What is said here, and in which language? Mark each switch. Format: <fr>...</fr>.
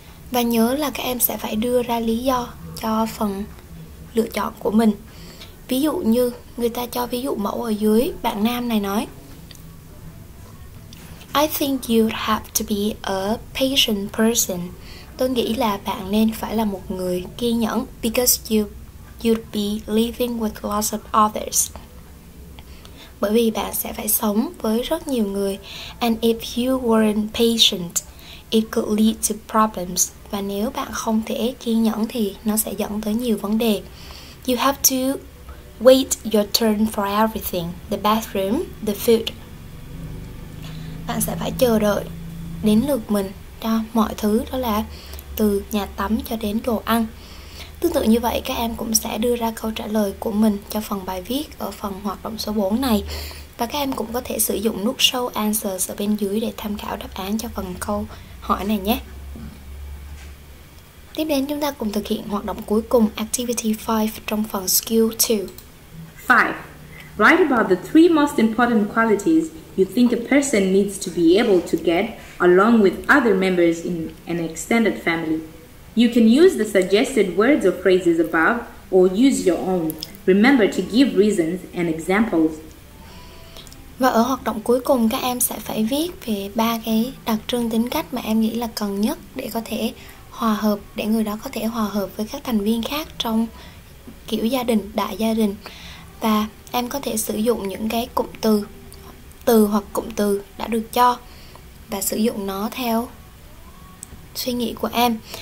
<vi>Và nhớ là các em sẽ phải đưa ra lý do cho phần lựa chọn của mình. Ví dụ như người ta cho ví dụ mẫu ở dưới, bạn nam này nói:</vi> <en>I think you have to be a patient person.</en> <vi>Tôi nghĩ là bạn nên phải là một người kiên nhẫn,</vi> <en>because you'd be living with lots of others.</en> <vi>Bởi vì bạn sẽ phải sống với rất nhiều người.</vi> <en>And if you weren't patient, it could lead to problems.</en> <vi>Và nếu bạn không thể kiên nhẫn thì nó sẽ dẫn tới nhiều vấn đề.</vi> <en>You have to wait your turn for everything. The bathroom, the food.</en> <vi>Bạn sẽ phải chờ đợi đến lượt mình cho mọi thứ, đó là từ nhà tắm cho đến đồ ăn. Tương tự như vậy, các em cũng sẽ đưa ra câu trả lời của mình cho phần bài viết ở phần hoạt động số 4 này. Và các em cũng có thể sử dụng nút show answers ở bên dưới để tham khảo đáp án cho phần câu hỏi này nhé. Tiếp đến chúng ta cùng thực hiện hoạt động cuối cùng, activity 5 trong phần skill 2. 5.</vi> <en>Write about the three most important qualities you think a person needs to be able to get along with other members in an extended family. You can use the suggested words or phrases above or use your own. Remember to give reasons and examples.</en> <vi>Và ở hoạt động cuối cùng, các em sẽ phải viết về ba cái đặc trưng tính cách mà em nghĩ là cần nhất để có thể hòa hợp, để người đó có thể hòa hợp với các thành viên khác trong kiểu gia đình, đại gia đình. Và em có thể sử dụng những cái cụm từ hoặc cụm từ đã được cho và sử dụng nó theo suy nghĩ của em.</vi>